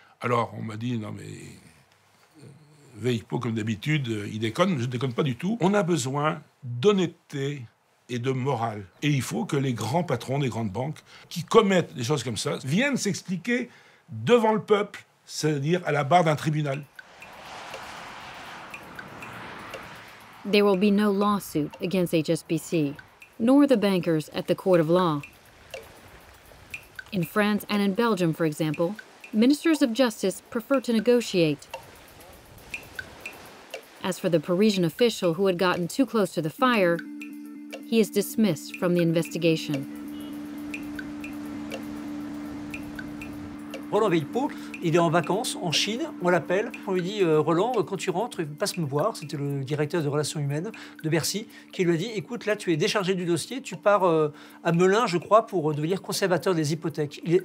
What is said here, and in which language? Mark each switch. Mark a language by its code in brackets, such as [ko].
[fr] Alors, on m'a dit, non mais, Veikpo, comme d'habitude, il déconne. Je ne déconne pas du tout. On a besoin d'honnêteté et de morale. Et il faut que les grands patrons des grandes banques qui commettent des choses comme ça viennent s'expliquer devant le peuple, c'est-à-dire à la barre d'un tribunal. [en] There will be no lawsuit against HSBC, nor the bankers at the court of law. In France and in Belgium, for example, ministers of justice prefer to negotiate. As for the Parisian official who had gotten too close to the fire, he is dismissed from the investigation. [fr] Roland Veikpo, il est en vacances en Chine, on l'appelle, on lui dit « Roland, quand tu rentres, passe me voir », c'était le directeur de relations humaines de Bercy, qui lui a dit « Écoute, là tu es déchargé du dossier, tu pars à Melun, je crois, pour devenir conservateur des hypothèques ».